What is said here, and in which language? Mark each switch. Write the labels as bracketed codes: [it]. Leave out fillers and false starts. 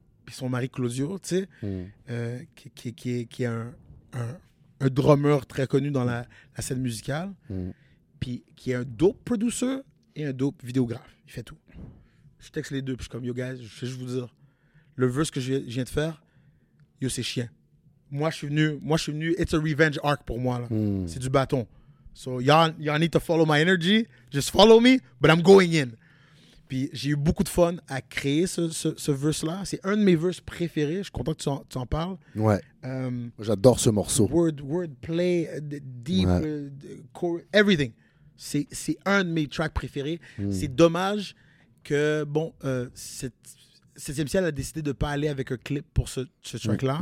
[fr] Son mari Claudio, tu sais, qui est un drummer très connu dans la scène musicale, puis qui est un dope producer et un dope vidéographe. Il fait tout. Je texte les deux, puis je suis comme, yo, guys, je vais juste vous dire, le verse que je viens de faire, yo, c'est chien. Moi, je suis venu, [en] it's a revenge arc [fr] pour moi, là. C'est du bâton. [en] So, y'all need to follow my energy, just follow me, but I'm going in. [fr] Puis j'ai eu beaucoup de fun à créer ce verse-là. C'est un de mes verses préférés. Je suis content que tu en parles. Ouais. J'adore ce morceau. [en] Word play, deep, ouais. Core, everything. [fr] C'est un de mes tracks préférés. C'est dommage que, bon, Septième Ciel a décidé de ne pas aller avec un clip pour ce track-là.